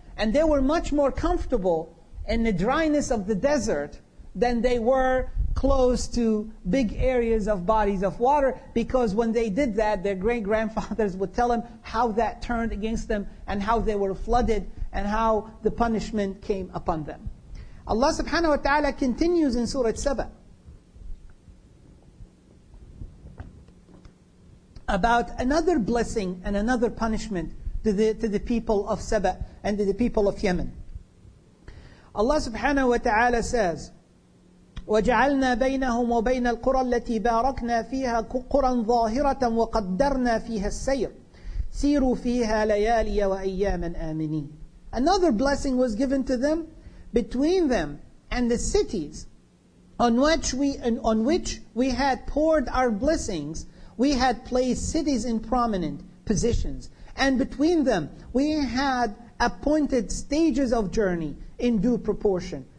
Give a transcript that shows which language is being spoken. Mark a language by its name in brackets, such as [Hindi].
[English] And they were much more comfortable in the dryness of the desert than they were close to big areas of bodies of water, because when they did that, their great-grandfathers would tell them how that turned against them and how they were flooded and how the punishment came upon them. Allah subhanahu wa ta'ala continues in Surah Sabah about another blessing and another punishment to the people of Sabah and to the people of Yemen. Allah subhanahu wa ta'ala says, [Arabic] وَجَعَلْنَا بَيْنَهُمْ وَبَيْنَ الْقُرَى الَّتِي بَارَكْنَا فِيهَا قُرًى ظَاهِرَةً وَقَدَّرْنَا فِيهَا السَّيْرِ سِيرُوا فِيهَا لَيَالِيَ وَأَيَّامًا آمِنِينَ. [English] Another blessing was given to them between them and the cities on which we had poured our blessings. We had placed cities in prominent positions, and between them we had appointed stages of journey in due proportion.